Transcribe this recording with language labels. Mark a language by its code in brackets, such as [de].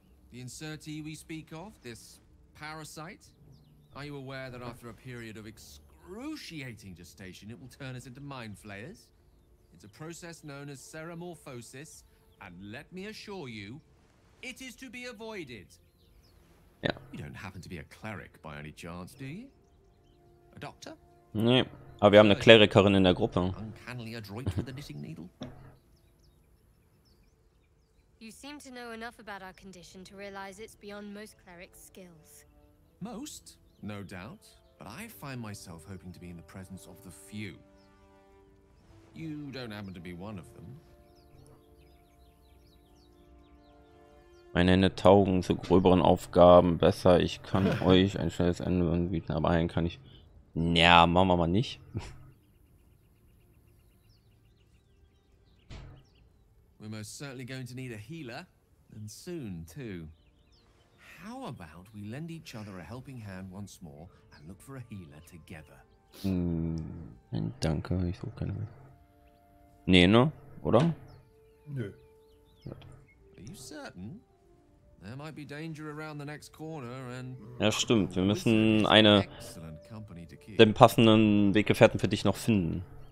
[en] The insertee we speak of, this parasite, are you aware that after a period of excruciating gestation, it will turn us into mind flayers? It's a process known as seramorphosis, and let me assure you, it is to be avoided. Yeah. You don't happen to be a cleric by any chance, do you? A doctor? [de] Nee, aber wir haben eine Klerikerin in der Gruppe. [en] Uncannily adroit with a knitting needle. You seem to know enough about our condition to realize it's beyond most clerics' skills. Most, no doubt, but I find myself hoping to be in the presence of the few. You don't happen to be one of them. [de] Meine Hände taugen zu gröberen Aufgaben besser. Ich kann euch ein schnelles Ende anbieten, aber einen kann ich. Naja, machen wir mal nicht. [en] We're most certainly going to need a healer, and soon too. How about we lend each other a helping hand once more and look for a healer together? [de] Danke, ich suche keine mehr. Nee, ne? Oder? Nö. [en] Are you certain? There might be danger around the next corner and... [de] Ja, stimmt. Wir müssen eine... den passenden Weggefährten für dich noch finden.